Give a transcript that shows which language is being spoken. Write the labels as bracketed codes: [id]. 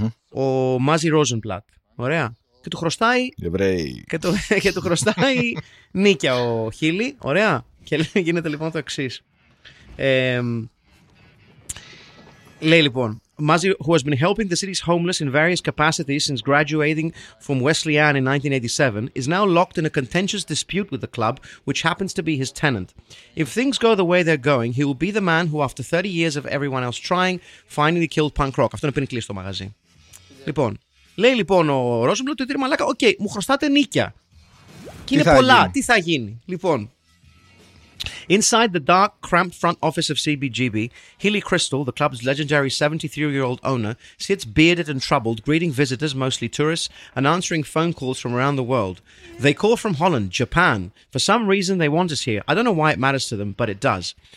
[el] Ο Μάζι Ρόζενπλατ. Ωραία. Και του χρωστάει. Και του χρωστάει νίκια ο Χίλι. Ωραία. Και γίνεται λοιπόν το εξής. Λέει λοιπόν. [en] Mazi, who has been helping the city's homeless in various capacities since graduating from Wesleyan in 1987, is now locked in a contentious dispute with the club, which happens to be his tenant. If things go the way they're going, he will be the man who, after 30 years of everyone else trying, finally killed punk rock. [el] Αυτό είναι πριν κλείσει το μαγαζί. Λοιπόν, λέει λοιπόν ο Ρόζενμπλουτ ότι είναι μαλάκα, οκ, μου χρωστάτε νίκια. Και είναι πολλά, τι θα γίνει. Λοιπόν. [en] Inside the dark, cramped front office of CBGB, Hilly Crystal, the club's legendary 73-year-old owner, sits bearded and troubled, greeting visitors, mostly tourists, and answering phone calls from around the world. They call from Holland, Japan. For some reason, they want us here. I don't know why it matters to them, but it does.